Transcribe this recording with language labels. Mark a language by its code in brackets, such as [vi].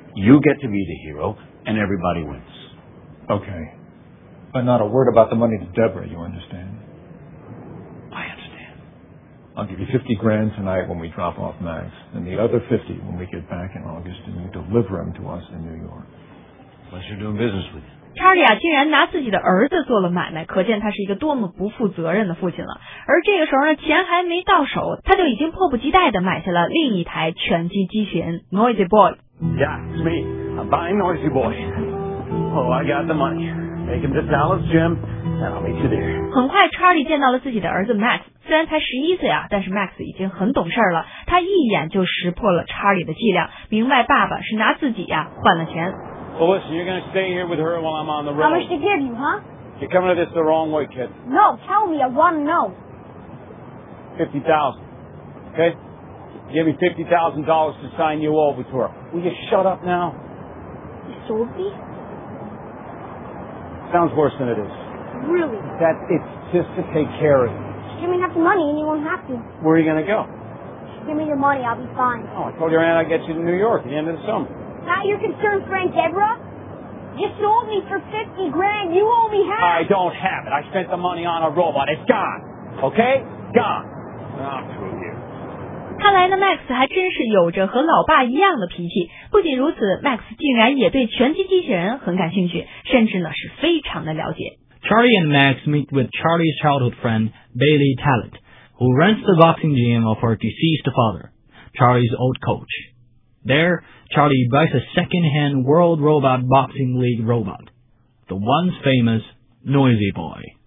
[en] You get to be the hero, and everybody wins. Okay. But not a word about the money to Deborah, you understand? I understand. I'll give you $50,000 tonight when we drop off Max, and the other $50,000 when we get back in August and you deliver him to us in New York. Unless you're doing business with him. [zh] Charlie 啊，竟然拿自己的儿子做了买卖，可见他是一个多么不负责任的父亲了。而这个时候呢，钱还没到手，他就已经迫不及待地买下了另一台拳击机器人 Noisy Boy. [en] Yeah, it's me. I'm buying Noisy Boy. Oh, I got the money. Make him to Dallas Gym, and I'll meet you there. [zh] 很快 ，Charlie 见到了自己的儿子 Max. 虽然才11岁啊，但是 Max 已经很懂事了。他一眼就识破了 Charlie 的伎俩，明白爸爸是拿自己呀、换了钱。 [en] Well, listen, you're going to stay here with her while I'm on the road. How much to give you, huh? You're coming to this the wrong way, kid. No, tell me. I want to know. $50,000, okay? Give me $50,000 to sign you over to her. Will you shut up now? You sold me? Sounds worse than it is. Really? That it's just to take care of you. Just give me enough money and you won't have to. Where are you going to go? Just give me your money. I'll be fine. Oh, I told your aunt I'd get you to New York at the end of the summer. Not your concern, Frank Deborah. You sold me for $50,000. You owe me half. I don't have it. I spent the money on a robot. It's gone. Okay? Gone. Not through here. [zh] 看来呢 ，Max 还真是有着和老爸一样的脾气。不仅如此 ，Max 竟然也对拳击机器人很感兴趣，甚至呢是非常的了解。 [en] Charlie and Max meet with Charlie's childhood friend Bailey Talent, who runs the boxing gym of her deceased father, Charlie's old coach. There, Charlie buys a second-hand World Robot Boxing League robot, the once famous Noisy Boy.